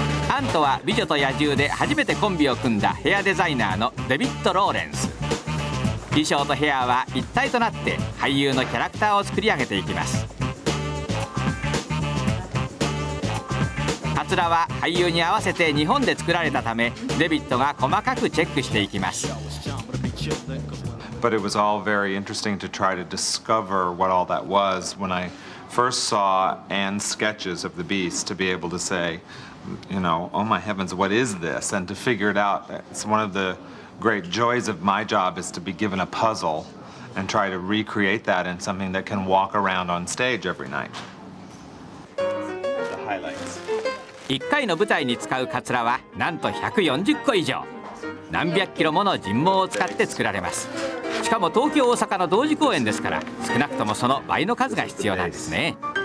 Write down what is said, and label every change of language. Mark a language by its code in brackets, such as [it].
[ja] アンとは美女と野獣で初めてコンビを組んだヘアデザイナーのデビッド・ローレンス。衣装とヘアは一体となって俳優のキャラクターを作り上げていきます。カツラは俳優に合わせて日本で作られたため、デビッドが細かくチェックしていきます。 [en] But it was all very interesting to try to discover what all that was when I first saw Anne's sketches of the beast to be able to say, you know, oh my heavens, what is this? And to figure it out, it's one of the great joys of my job is to be given a puzzle and try to recreate that in something that can walk around on stage every night. The highlights. [ja] 1回の舞台に使うカツラはなんと140個以上、何百キロもの人毛を使って作られます。しかも東京大阪の同時公演ですから、少なくともその倍の数が必要なんですね。